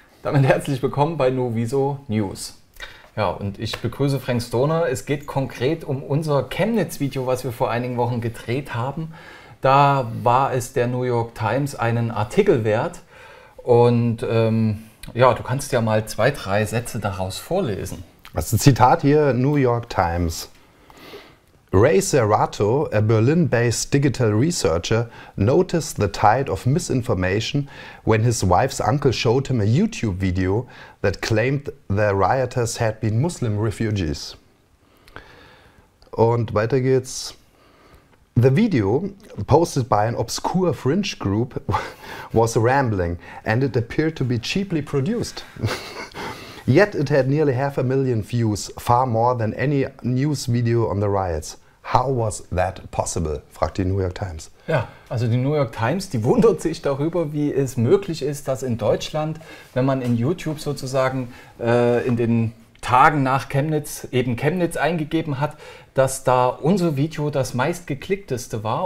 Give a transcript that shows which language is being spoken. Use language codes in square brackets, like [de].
[de] Damit herzlich willkommen bei Nun, wieso News. Ja, und ich begrüße Frank Stoner. Es geht konkret um unser Chemnitz-Video, was wir vor einigen Wochen gedreht haben. Da war es der New York Times einen Artikel wert. Und ja, du kannst ja mal zwei, drei Sätze daraus vorlesen. Was ist ein Zitat hier? New York Times. [en] Ray Serrato, a Berlin-based digital researcher, noticed the tide of misinformation when his wife's uncle showed him a YouTube video that claimed the rioters had been Muslim refugees. [de] Und weiter geht's. [en] The video, posted by an obscure fringe group, was rambling and it appeared to be cheaply produced. Yet it had nearly 500,000 views, far more than any news video on the riots. How was that possible? [de] Fragt die [en] New York Times. [de] Ja, also die New York Times, die wundert sich darüber, wie es möglich ist, dass in Deutschland, wenn man in YouTube sozusagen in den Tagen nach Chemnitz eben Chemnitz eingegeben hat, dass da unser Video das meistgeklickteste war.